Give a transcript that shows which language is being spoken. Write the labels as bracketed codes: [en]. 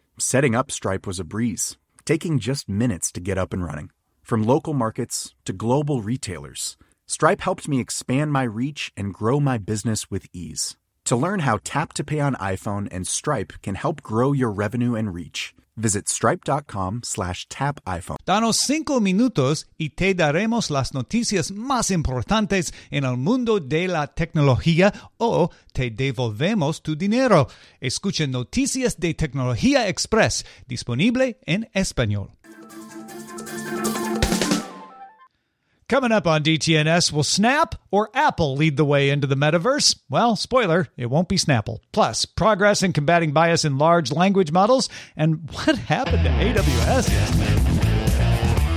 [en] Setting up Stripe was a breeze, taking just minutes to get up and running. From local markets to global retailers, Stripe helped me expand my reach and grow my business with ease. To learn how Tap to Pay on iPhone and Stripe can help grow your revenue and reach, visit stripe.com/tapiphone. [es] Danos cinco minutos y te daremos las noticias más importantes en el mundo de la tecnología o te devolvemos tu dinero. Escucha Noticias de Tecnología Express, disponible en español. [en] Coming up on DTNS, will Snap or Apple lead the way into the metaverse? Well, spoiler, it won't be Snapple. Plus, progress in combating bias in large language models, and what happened to AWS yesterday?